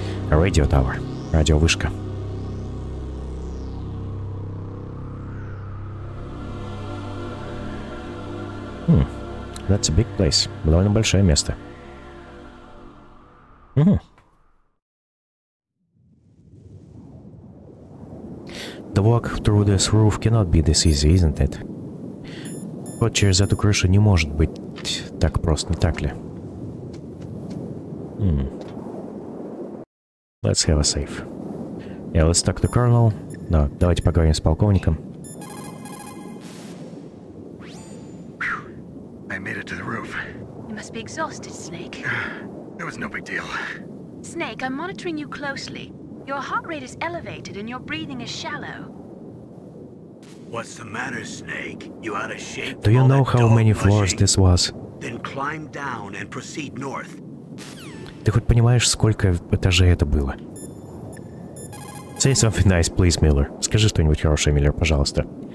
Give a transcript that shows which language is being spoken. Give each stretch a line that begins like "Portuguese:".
English: Radio Tower.
Russian: Радиовышка.
English: That's a big place.
Russian: Довольно большое место.
English: The walk through this roof cannot be this easy, isn't it?
Russian: Вот через эту крышу не может быть так просто, не так ли?
English: Let's have a safe. Yeah, let's talk to Colonel.
Russian: No, давайте поговорим с полковником.
English: I made it to the roof. You must be exhausted, Snake. It was no big deal. Snake, I'm monitoring you closely. Your heart rate is elevated and your breathing is shallow. What's the matter, Snake? You out of shape? Do you know how many floors this was? Then climb down and proceed north.
Russian: Ты хоть понимаешь, сколько этажей это было?
English: Say something nice, please, Miller.
Russian: Скажи что-нибудь хорошее, Миллер, пожалуйста.